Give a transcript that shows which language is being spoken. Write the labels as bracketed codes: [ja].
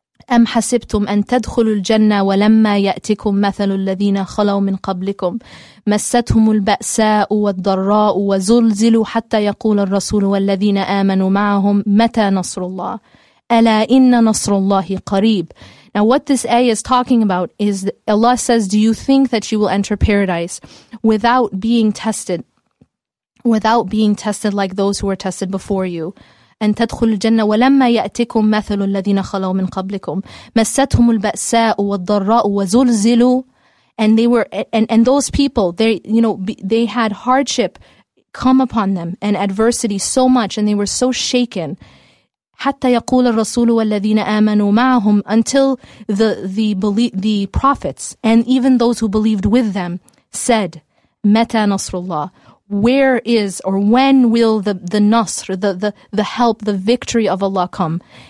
[ar] أَمْ حَسِبْتُمْ أَن تَدْخُلُوا الْجَنَّةَ وَلَمَّا يَأْتِكُمْ مَثَلُ الَّذِينَ خَلَوْا مِنْ قَبْلِكُمْ مَسَّتْهُمُ الْبَأْسَاءُ وَالضَّرَّاءُ وَزُلْزِلُوا حَتَّى يَقُولَ الرَّسُولُ وَالَّذِينَ آمَنُوا مَعَهُمْ مَتَى نَصْرُ اللَّهِ أَلَا إِنَّ نَصْرُ اللَّهِ قَرِيبٌ. [en] Now what this ayah is talking about is Allah says, do you think that you will enter paradise without being tested, without being tested like those who were tested before you? [ar] أن تدخل الجنة ولما يأتكم مثل الذين خلوا من قبلكم مستهم البأساء والضراء وزلزلوا. [en] And they were, and those people, they, you know, they had hardship come upon them and adversity so much, and they were so shaken. [ar] حتى يقول الرسول والذين آمنوا معهم, [en] until the prophets and even those who believed with them said, [ar] متى نصر الله, [en] where is, or when will the Nasr, the help, the victory of Allah come?